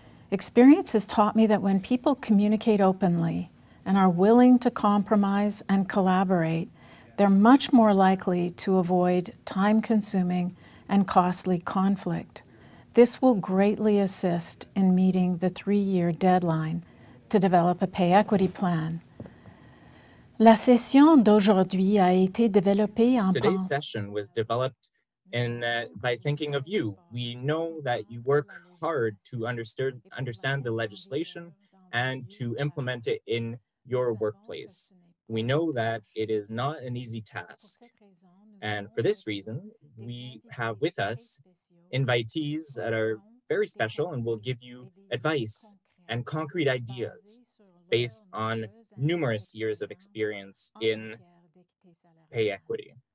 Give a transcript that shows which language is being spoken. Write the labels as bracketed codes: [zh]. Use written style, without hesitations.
[en] Experience has taught me that when people communicate openly and are willing to compromise and collaborate, they're much more likely to avoid time-consuming and costly conflict. This will greatly assist in meeting the 3-year deadline to develop a pay equity plan. [fr] La session d'aujourd'hui a été développée en [en] Today's session was developed in by thinking of you. We know that you work hard to understand the legislation and to implement it in your workplace. We know that it is not an easy task. And for this reason, we have with us invitees that are very special and will give you advice and concrete ideas based on numerous years of experience in pay equity.